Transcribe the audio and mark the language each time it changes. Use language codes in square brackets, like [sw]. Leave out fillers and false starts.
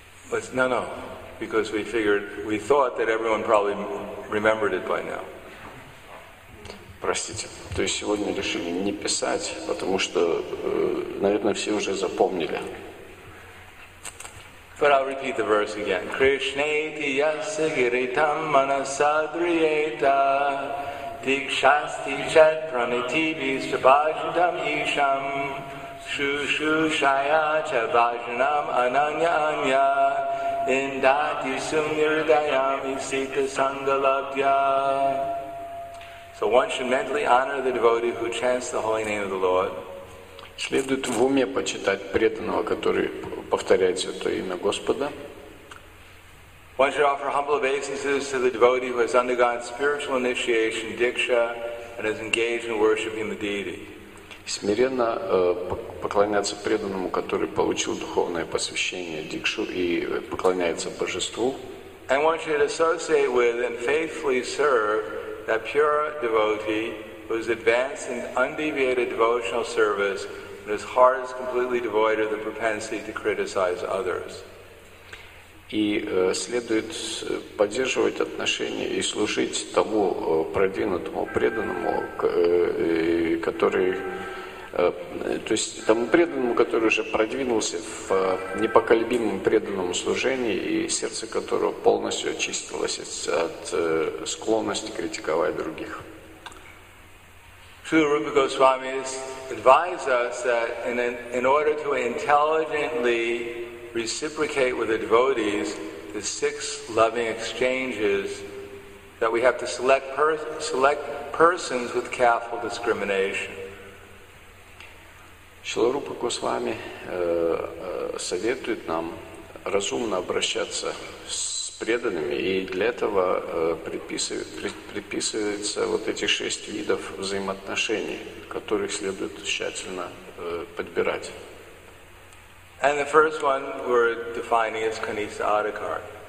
[en] But no, because we figured, we thought that everyone probably remembered it by now. [ru] Простите. То есть сегодня решили не писать, потому что, наверное, все уже запомнили. [en] But I'll repeat the verse again. [sa] Krishneti yasya giritam manasadriyeta dikshasti chet pranitibis chabajitam isham shushushaya chabajanam ananya anya indati sumirdayam isita sangalabhya. [en] So one should mentally honor the devotee who chants the holy name of the Lord. [ru] Следует в уме почитать преданного, который повторяет святое имя Господа. [en] One should offer humble obeisances to the devotee who has undergone spiritual initiation, diksha, and is engaged in worshiping the deity. [ru] Смиренно поклоняться преданному, который получил духовное посвящение, дикшу, и поклоняется божеству. [en] And one should associate with and faithfully serve that pure devotee who is advanced in undeviated devotional service, and his heart is completely devoid of the propensity to criticize others. [ru] И следует поддерживать отношения и служить тому продвинутому преданному, который, то есть тому преданному, который уже продвинулся в непоколебимом преданном служении, и сердце которого полностью очистилось от склонности критиковать других. [en] Sri Rupa Goswami's advise us that in order to intelligently reciprocate with the devotees, the six loving exchanges, that we have to select persons with careful discrimination. [ru] Sri Rupa Goswami советует нам разумно обращаться с преданными, и для этого приписывается вот эти шесть видов взаимоотношений, которых следует тщательно подбирать. [en] And the first one we're defining is Kanista Adhikar.